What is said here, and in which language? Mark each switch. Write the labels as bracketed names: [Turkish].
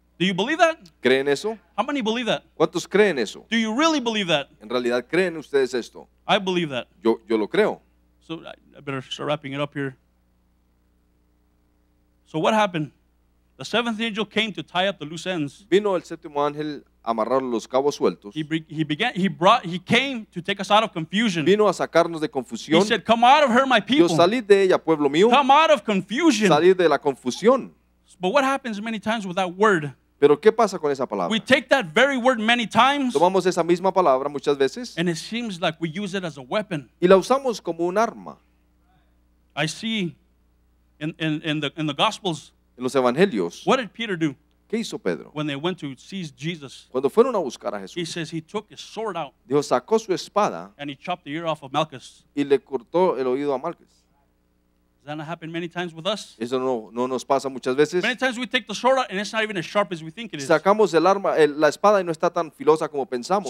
[English] Do you believe that? [Spanish] ¿Creen eso? [English] How many believe that? [Spanish] ¿Cuántos creen eso? [English] Do you really believe that? [Spanish] ¿En realidad creen ustedes esto? [English] I believe that. [Spanish] Yo lo creo. [English] So I better start wrapping it up here. So what happened? The seventh angel came to tie up the loose ends. [Spanish] Vino el séptimo ángel a amarrar los cabos sueltos. [English] He came to take us out of confusion. [Spanish] Vino a sacarnos de confusión. [English] He said, "Come out of her, my people." [Spanish] Dios, salid de ella, pueblo mío. [English] Come out of confusion. [Spanish] Salid de la confusión. [English] But what happens many times with that word? [Spanish] Pero ¿qué pasa con esa palabra? [English] We take that very word many times. [Spanish] Tomamos esa misma palabra muchas veces. [English] And it seems like we use it as a weapon. [Spanish] Y la usamos como un arma. [English] I see in the Gospels. [Spanish] En los evangelios. [English] What did Peter do? [Spanish] ¿Qué hizo Pedro? [English] When they went to seize Jesus. [Spanish] Cuando fueron a buscar a Jesús. [English] He says he took his sword out. [Spanish] Dijo, sacó su espada. [English] And he chopped the ear off of Malchus. [Spanish] Y le cortó el oído a Malchus. [English] Does that not happen many times with us? [Spanish] Eso no nos pasa muchas veces. [English] Many times we take the sword out and it's not even as sharp as we think it is. [Spanish] Sacamos el arma, la espada y no está tan filosa como pensamos.